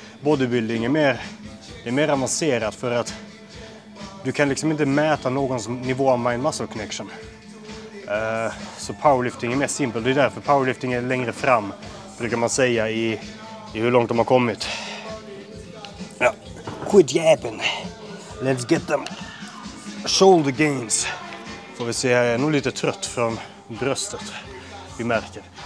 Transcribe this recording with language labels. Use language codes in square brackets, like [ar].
[sv] Bodybuilding är mer. Det är mer avancerat för att. Du kan liksom inte mäta någons nivå av mind muscle connection. Så powerlifting är mer simpel. Det är därför powerlifting är längre fram, brukar man säga, i hur långt de har kommit. [en] Ja. Quit yapping. Let's get them shoulder gains. [sv] Får vi se här, jag är nog lite trött från bröstet. Vi märker.